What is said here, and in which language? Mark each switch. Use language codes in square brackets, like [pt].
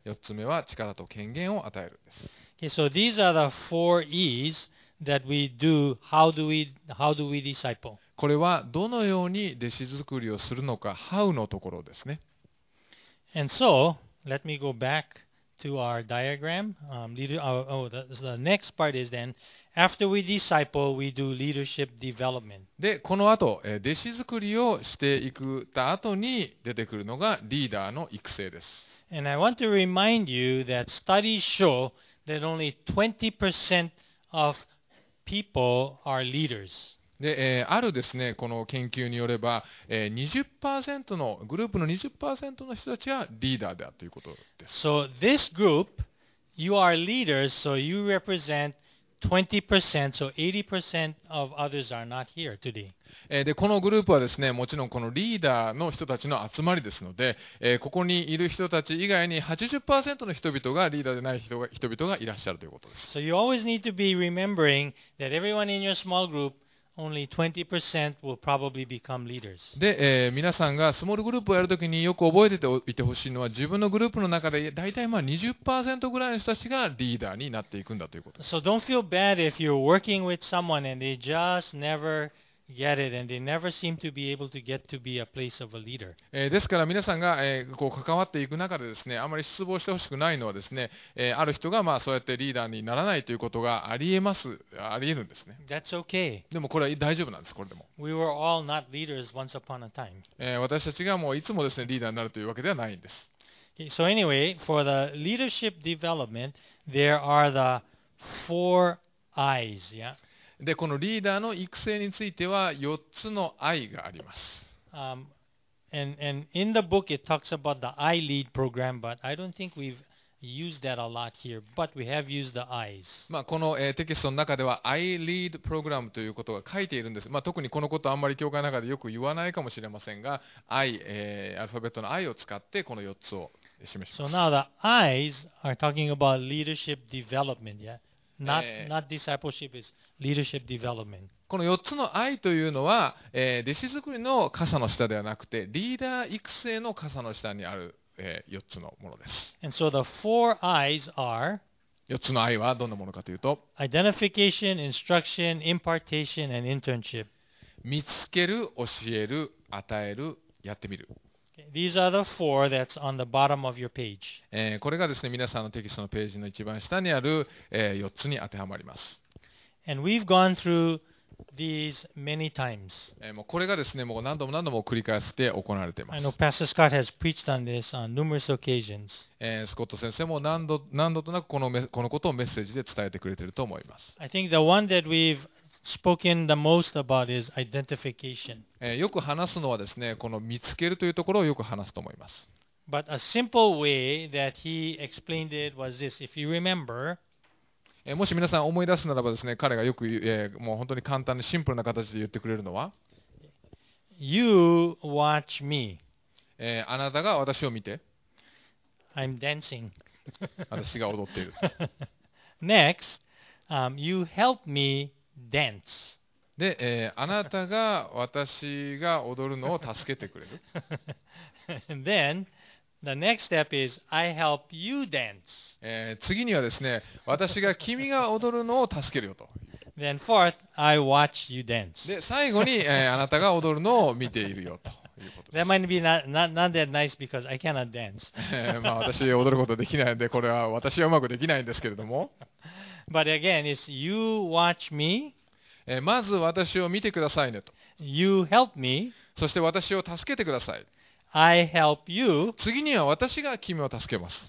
[ja] 4つ目は力と権限を与えるです。 [en] Okay, so these are the four E's that we do. How do we disciple? [ja] これはどのように弟子作りをするのか、How のところですね。 [en] And so, let me go back to our diagram. The next part is then, after we disciple, we do leadership development. [ja] で、この後、弟子作りをしていく後に出てくるのがリーダーの育成です。 [en] And I want to remind you that studies show that only 20% of people are leaders. [ja] で、あるですね、この研究によれば、20% のグループの 20% の人たちはリーダーであるということです。 [en] So this group, you are leaders, so you represent 20%, so 80% of others are not here today. [ja] で、このグループはですね、もちろんこのリーダーの人たちの集まりですので、ここにいる人たち以外に 80% の人々がリーダーでない人々がいらっしゃるということです。 [en] So you always need to be remembering that everyone in your small groupOnly 20% will probably become leaders. [ja] で、皆さんがスモールグループをやるときによく覚えておいてほしいのは、自分のグループの中でだいたい 20% ぐらいの人たちがリーダーになっていくんだということ。 [en] So don't feel bad if you're working with someone and they just never get it and they never seem to be able to get to be a place of a leader. [ja] ですから皆さんが、こう関わっていく中でですね、あまり失望してほしくないのはですね、ある人がまあそうやってリーダーにならないということがありえるんですね。 [en] That's okay. [ja] でもこれは大丈夫なんです、これでも。 [en] We were all not leaders once upon a time. [ja] 私たちがもういつもですね、リーダーになるというわけではないんです。 [en] Okay, so anyway, for the leadership development, there are the four eyes, yeah? [ja] で、このリーダーの育成については4つの愛があります。 [en] And in the book it talks about the I lead program, but I don't think we've used that a lot here, but we have used the eyes. [ja] まあ、この、テキストの中では I lead program ということが書いているんです。まあ、特にこのことはあんまり教会の中でよく言わないかもしれませんが、I、アルファベットの I を使ってこの4つを示します。 [en] So now the eyes are talking about leadership development, yeah? Not discipleship is leadership development. [ja] この4つの愛というのは、弟子作りの傘の下ではなくて、リーダー育成の傘の下にある、4つのものです。 [en] And so the four eyes are, [ja] 4つの愛はどんなものかというと、 [en] identification, instruction, impartation, and internship. [ja] 見つける、教える、与える、やってみる。 [en] These are the four that's on the bottom of your page. [ja] これがですね、皆さんのテキストのページの一番下にある、4つに当てはまります。 [en] And we've gone through these many times. [ja] もうこれがですね、もう何度も何度も繰り返して行われています。 [en] I know Pastor Scott has preached on this on numerous occasions. [ja] スコット先生も何度となくこのことをメッセージで伝えてくれていると思います。 [en] I think the one that we've spoken the most about is identification. [ja] よく話すのはですね、この見つけるというところをよく話すと思います。 [en] But a simple way that he explained it was this. If you remember, [ja] もし皆さん思い出すならばですね、彼がよく、もう本当に簡単にシンプルな形で言ってくれるのは、 [en] You watch me. [ja] あなたが私を見て、 [en] I'm dancing. [ja] 私が踊っている。 [en] Next, you help me. Dance. [ja] で、あなたが私が踊るのを助けてくれる。 [en] Then, the next step is, I help you dance. [ja] 次にはですね、私が君が踊るのを助けるよと。 [en] Then fourth, I watch you dance. [ja] で、最後に、あなたが踊るのを見ているよということです。 [en] That might be not that nice because I cannot dance. [ja] 、まあ、私踊ることできないんで、これは私はうまくできないんですけれども。 [en] But again, it's you watch me. [ja] まず私を見てくださいねと。 [en] You help me. [ja] そして私を助けてください。 [en] I help you. [ja] 次には私が君を助けます。